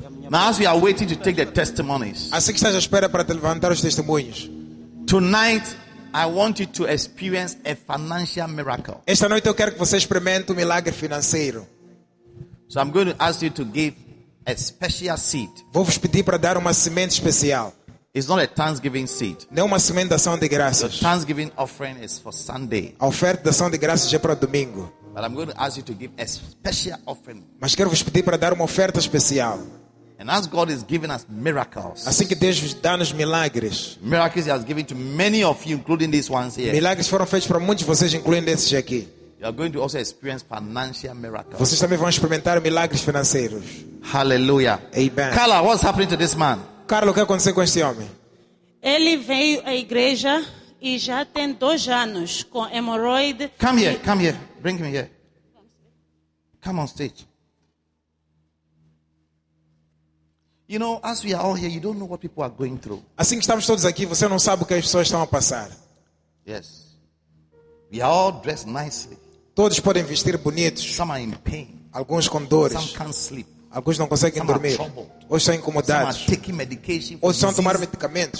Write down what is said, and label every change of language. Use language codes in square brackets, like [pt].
[en] Now as we are waiting to take the testimonies. [pt] Assim que estás à espera para te levantar os testemunhos. [en] Tonight I want you to experience a financial miracle. [pt] Esta noite eu quero que você experimente um milagre financeiro. [en] So I'm going to ask you to give a special seed. [pt] Vou-vos pedir para dar uma semente especial. [en] It's not a Thanksgiving seed. [pt] Não é uma semente de ação de graças. [en] The Thanksgiving offering is for Sunday. [pt] A oferta de ação de graças é para o domingo. [en] But I'm going to ask you to give a special offering. [pt] Mas quero-vos pedir para dar uma oferta especial. [en] And as God is giving us miracles, [pt] assim que Deus dá-nos milagres, [en] miracles He has given to many of you, including these ones here. [pt] Milagres foram feitos para muitos de vocês, incluindo esses aqui. [en] You are going to also experience financial miracles. [pt] Vocês também vão experimentar milagres financeiros. [en] Hallelujah. Amen. Carla, what's happening to this man? [pt] Carla, o que aconteceu com esse homem? Ele veio à igreja e já tem 2 anos com hemorroide. [en] Come here. Bring me here. Come on stage. You know, as we are all here, you don't know what people are going through. [pt] Assim que estamos todos aqui, você não sabe o que as pessoas estão a passar. [en] Yes. We are all dressed nicely. [pt] Todos podem vestir bonitos. [en] Some are in pain. [pt] Alguns com dores. [en] Some can't sleep. [pt] Alguns não conseguem [en] Some [pt] dormir. [en] Are troubled. [pt] Outros estão incomodados. [en] Some are taking medication for [pt] Outros estão a tomar medicamentos.